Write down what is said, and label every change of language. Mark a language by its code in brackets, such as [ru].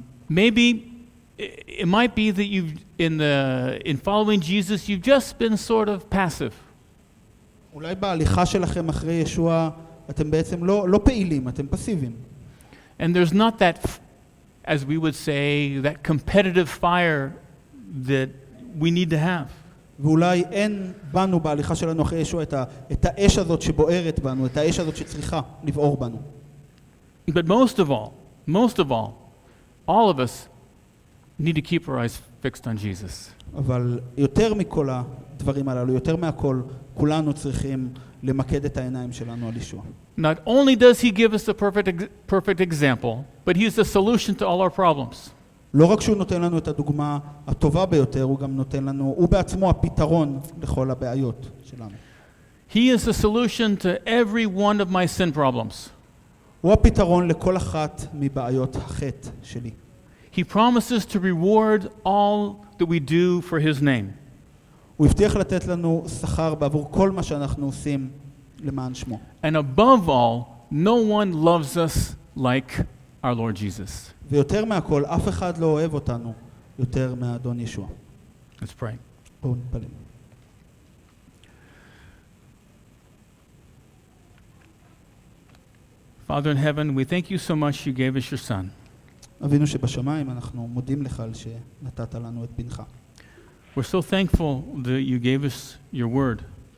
[en] Maybe it might be that you've in following Jesus you've just been sort of passive. [he] אולי בהליכה שלכם אחרי ישוע אתם בעצם לא פעילים, אתם פסיבים. [en] And there's not that, as we would say, that competitive fire that we need to have. [he] ואולי אין בנו בהליכה שלנו אחרי ישוע את האש הזאת שבוערת בנו, את האש הזאת שצריכה לבעור בנו. [en] But most of all of us need to keep our eyes fixed on Jesus. [he] אבל יותר מכל הדברים הללו, יותר מהכל, כולנו צריכים למקד את העיניים שלנו על ישוע. [en] Not only does he give us the perfect example, but he is the solution to all our problems. [he] לא רק שהוא נותן לנו את הדוגמה הטובה ביותר, הוא גם נותן לנו, הוא בעצמו הפתרון לכל הבעיות שלנו. [en] He is the solution to every one of my sin problems. [he] הוא הפתרון לכל אחת מבעיות החטא שלי. [en] He promises to reward all that we do for his name. [he] הוא הבטיח לתת לנו שכר בעבור כל מה שאנחנו עושים למען שמו. [en] And above all, no one loves us like our Lord Jesus. [he] ויותר מהכל, אף אחד לא אוהב אותנו יותר מאדון ישוע. [en] Let's pray. [he] בואו נתפלל. [en] Father in heaven, we thank you so much you gave us your son. [he] אבינו שבשמיים, אנחנו מודים לך על שנתת לנו את בנך. [en] We're so thankful that you gave us your word.